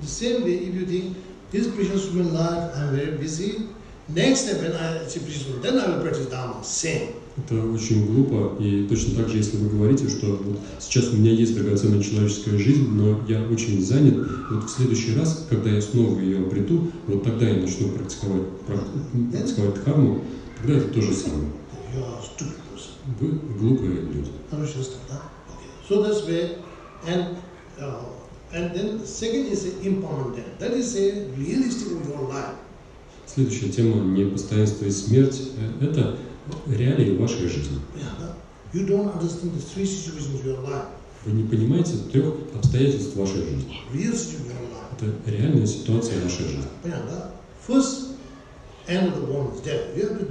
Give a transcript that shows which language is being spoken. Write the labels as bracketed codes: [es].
[en] The same way, if you think this precious human life, I'm very busy. Next step, when I achieve precious human life, then I will practice Dharma. Same. [ru] Это очень глупо, и точно так же, если вы говорите, что вот сейчас у меня есть драгоценная человеческая жизнь, но я очень занят, вот в следующий раз, когда я снова ее обрету, вот тогда я начну практиковать дхарму, тогда это то же самое. [en] You are stupid person. [ru] Вы глупые люди. Хорошо, да? [en] Okay. So that's where, and then second is impermanent. That is a realistic of your life. [ru] Следующая тема – непостоянство и смерть. Это реалии вашей жизни. [en] You don't understand the three situations in your life. [ru] Вы не понимаете трех обстоятельств вашей жизни. Это реальная ситуация вашей жизни.